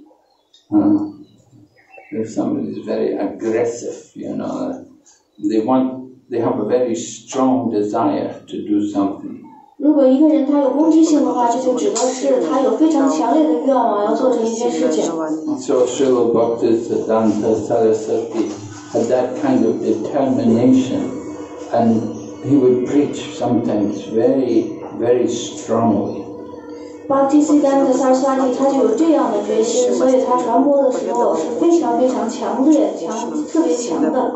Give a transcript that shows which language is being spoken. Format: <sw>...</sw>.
<zh>有一个就是关于用到他传播的时候的一个词，就是说他非常的有攻击性。</zh> <en>If somebody is very aggressive, you know, they have a very strong desire to do something.</en> <zh>如果一个人他有攻击性的话，这就指的是他有非常强烈的愿望要做这一些事情。</zh> <en>So Shrila Bhaktisiddhanta Sarasvati had that kind of determination, and he would preach sometimes very, very strongly.</en> <zh>Bhaktisiddhanta Sarasvati, 他就有这样的决心，所以他传播的时候是非常非常强烈，特别强的。</zh>